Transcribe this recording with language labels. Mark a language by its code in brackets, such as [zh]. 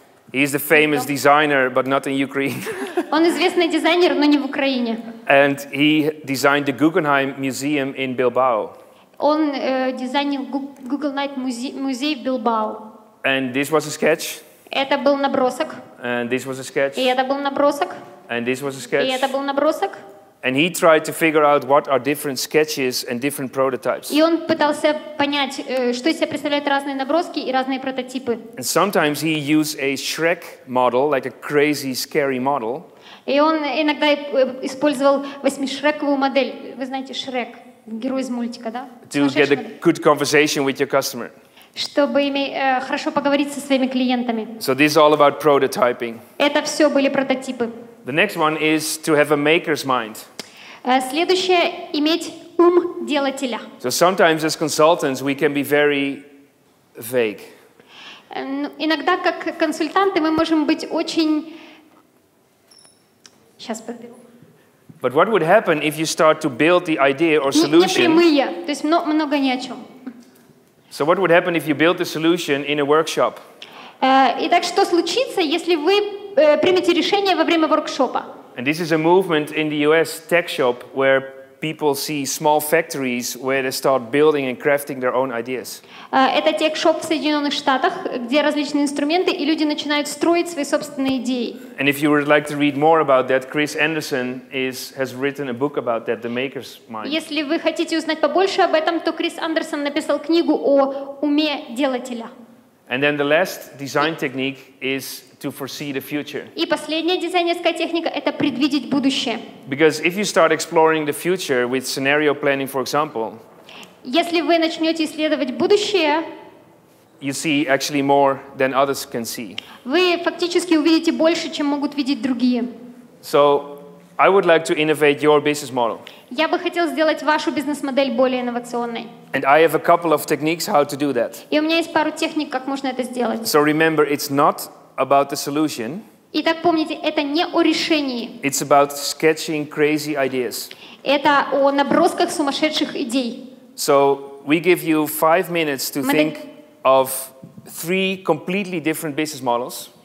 [en] He is the famous designer, but not in Ukraine. [ru] Он известный дизайнер, но не в Украине. [en] And he designed the Guggenheim Museum in Bilbao. [ru] Он дизайнил Guggenheim музей в Бильбао. [en] And this was a sketch. [ru] Это был набросок. [en] And this was a sketch. [ru] И это был набросок. [en] And this was a sketch. [ru] И это был набросок. [en] And he tried to figure out what are different sketches and different prototypes. [ru] И он пытался понять, что из себя представляют разные наброски и разные прототипы. [en] And sometimes he used a Shrek model, like a crazy, scary model. [ru] И он иногда использовал восьмишрековую модель. Вы знаете Шрек, герой из мультика, да? [en] To get a good conversation with your customer. [ru] Чтобы иметь хорошо поговорить со своими клиентами. [en] So this is all about prototyping. [ru] Это все были прототипы. [en] The next one is to have a maker's mind. [ru] Следующее – иметь ум делателя. [en] So sometimes as consultants we can be very vague. [ru] Иногда как консультанты мы можем быть очень… Сейчас подберу. [en] But what would happen if you start to build the idea or solution… [ru] Непрямые, то есть много ни о чем. [en] So what would happen if you build the solution in a workshop? [ru] Итак, что случится, если вы примите решение во время воркшопа? [en] And this is a movement in the US tech shop where people see small factories where they start building and crafting their own ideas. [ru] Это техшоп в Соединенных Штатах, где различные инструменты и люди начинают строить свои собственные идеи. [en] And if you would like to read more about that, Chris Anderson has written a book about that, The Maker's Mind. [ru] Если вы хотите узнать побольше об этом, то Крис Андерсон написал книгу о уме делателя. [en] And then the last design technique is to foresee the future. [ru] И последняя дизайнерская техника – это предвидеть будущее. [en] Because if you start exploring the future with scenario planning, for example, [ru] если вы начнете исследовать будущее, [en] you see actually more than others can see. [ru] Вы фактически увидите больше, чем могут видеть другие. [en] So I would like to innovate your business model. [ru] Я бы хотел сделать вашу бизнес-модель более инновационной. [en] And I have a couple of techniques how to do that. [ru] И у меня есть пару техник, как можно это сделать. [en] So remember, it's not about the solution. [ru] Итак, помните, это не о решении. [en] It's about sketching crazy ideas. [ru] Это о набросках сумасшедших идей. [en] So we give you 5 minutes to think of 3 completely different business models.